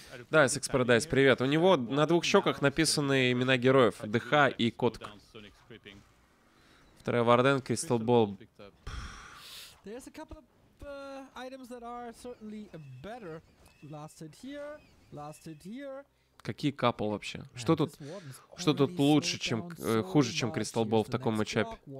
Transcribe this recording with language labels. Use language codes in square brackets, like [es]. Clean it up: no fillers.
[ru] Да, Секс Парадайз, привет. У него на двух щеках написаны имена героев. ДХ и Котк. Вторая Варден, Кристал Болл. [en] There's a couple of items that are certainly better. Lasted here, lasted here. [ru] Какие капл вообще? Что тут лучше, чем хуже, чем Кристал Болл в таком матчапе?